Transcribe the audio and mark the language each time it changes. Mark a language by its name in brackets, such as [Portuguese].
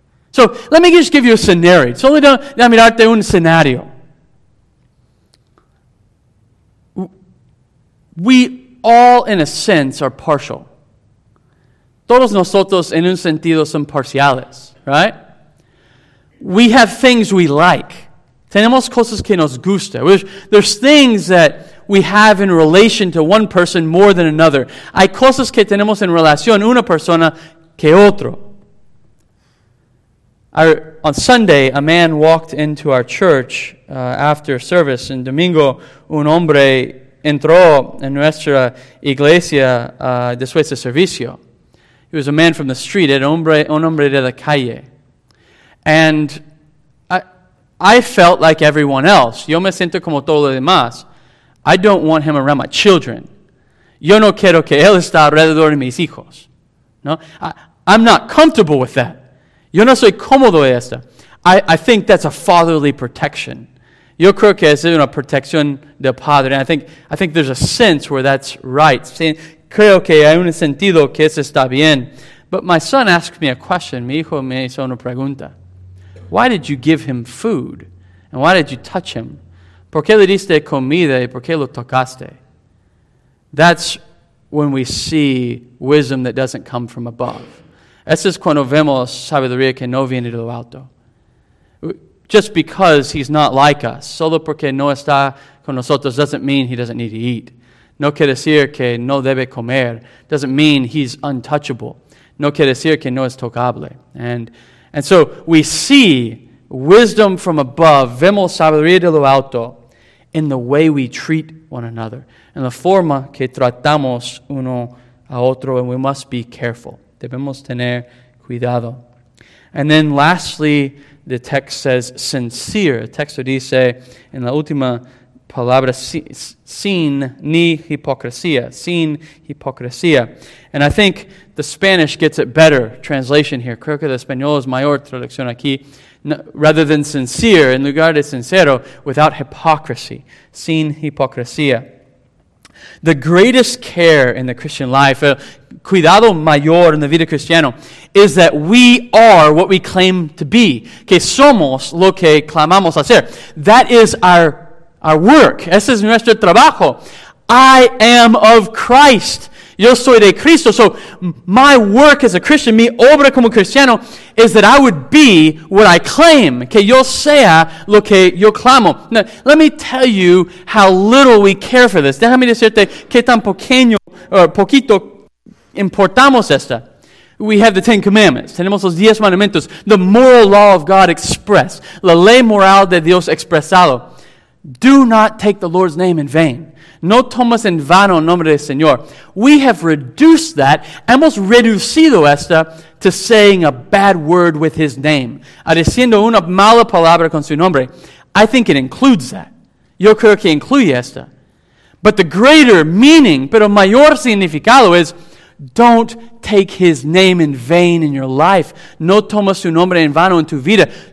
[English] So, let me just give you a scenario. [Spanish] Solo dame darte un escenario. [English] We all, in a sense, are partial. [Spanish] Todos nosotros, en un sentido, son parciales, [English] right? We have things we like. [Spanish] Tenemos cosas que nos gusta. [English] There's things that we have in relation to one person more than another. [Spanish] Hay cosas que tenemos en relación una persona que otro. [English] On Sunday, a man walked into our church after service. [Spanish] En domingo, un hombre entró en nuestra iglesia después de servicio. [English] He was a man from the street, [Spanish] un hombre de la calle. [English] And I felt like everyone else. [Spanish] Yo me siento como todos los demás. [English] I don't want him around my children. [Spanish] Yo no quiero que él esté alrededor de mis hijos. [English] No, I'm not comfortable with that. [Spanish] Yo no soy cómodo de esta. [English] I think that's a fatherly protection. [Spanish] Yo creo que es una protección de padre. [English] And I think there's a sense where that's right. [Spanish] Creo que hay un sentido que eso está bien. [English] But my son asked me a question. [Spanish] Mi hijo me hizo una pregunta. [English] Why did you give him food? And why did you touch him? [Spanish] ¿Por qué le diste comida y por qué lo tocaste? [English] That's when we see wisdom that doesn't come from above. [Spanish] Eso es cuando vemos sabiduría que no viene de lo alto. [English] Just because he's not like us, [Spanish] solo porque no está con nosotros, [English] doesn't mean he doesn't need to eat. [Spanish] No quiere decir que no debe comer. [English] Doesn't mean he's untouchable. [Spanish] No quiere decir que no es tocable. [English] And so we see wisdom from above, [Spanish] vemos sabiduría de lo alto, [English] in the way we treat one another, in the [Spanish] forma que tratamos uno a otro, [English] and we must be careful. [Spanish] Debemos tener cuidado. [English] And then lastly, the text says sincere. [Spanish] El texto dice, en la última palabra, sin ni hipocresía, sin hipocresía. [English] And I think the Spanish gets it better translation here. [Spanish] Creo que el español es mayor traducción aquí. [English] No, rather than sincere, [Spanish] en lugar de sincero, [English] without hypocrisy, [Spanish] sin hipocresía. [English] The greatest care in the Christian life, [Spanish] cuidado mayor en la vida cristiana, [English] is that we are what we claim to be, [Spanish] que somos lo que clamamos hacer. [English] That is our work. [Spanish] Ese es nuestro trabajo. [English] I am of Christ. [Spanish] Yo soy de Cristo. [English] So my work as a Christian, [Spanish] mi obra como cristiano, [English] is that I would be what I claim, [Spanish] que yo sea lo que yo clamo. [English] Now, let me tell you how little we care for this. [Spanish] Déjame decirte que tan pequeño o poquito importamos esta. [English] We have the Ten Commandments. [Spanish] Tenemos los diez mandamientos. [English] The moral law of God expressed. [Spanish] La ley moral de Dios expresado. [English] Do not take the Lord's name in vain. [Spanish] No tomas en vano el nombre del Señor. [English] We have reduced that, [Spanish] hemos reducido esta, [English] to saying a bad word with his name. [Spanish] A diciendo una mala palabra con su nombre. [English] I think it includes that. [Spanish] Yo creo que incluye esta. [English] But the greater meaning, [Spanish] pero mayor significado [English] is, don't take his name in vain in your life. [Spanish] No tomas su nombre en vano en tu vida.